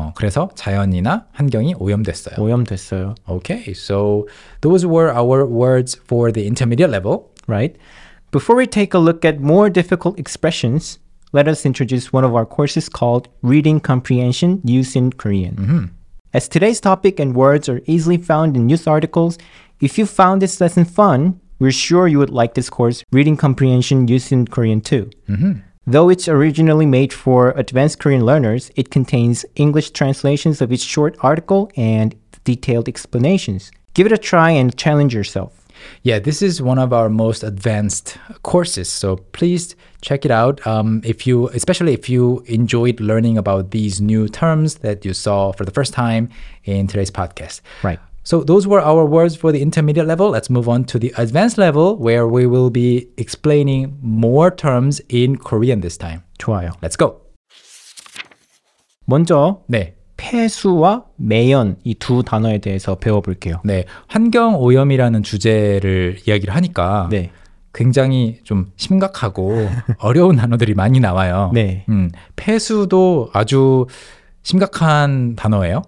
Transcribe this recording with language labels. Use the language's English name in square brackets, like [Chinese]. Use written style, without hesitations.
[Korean] 그래서 자연이나 환경이 오염됐어요. 오염됐어요. [English] Okay. So those were our words for the intermediate level. Right. Before we take a look at more difficult expressions, let us introduce one of our courses called Reading Comprehension Used in Korean. Mm-hmm. As today's topic and words are easily found in news articles, if you found this lesson fun, we're sure you would like this course, Reading Comprehension Used in Korean too. Mm-hmm. Though it's originally made for advanced Korean learners, it contains English translations of each short article and detailed explanations. Give it a try and challenge yourself. Yeah, this is one of our most advanced courses, so please check it out. Especially if you enjoyed learning about these new terms that you saw for the first time in today's podcast. Right. So those were our words for the intermediate level. Let's move on to the advanced level, where we will be explaining more terms in Korean this time. [Korean] 좋아요. [English] Let's go. [Korean] 먼저. 네. 폐수와 매연 이 두 단어에 대해서 배워볼게요. 네, 환경 오염이라는 주제를 이야기를 하니까 네. 굉장히 좀 심각하고 어려운 단어들이 많이 나와요. 네. 폐수도 아주 심각한 단어예요.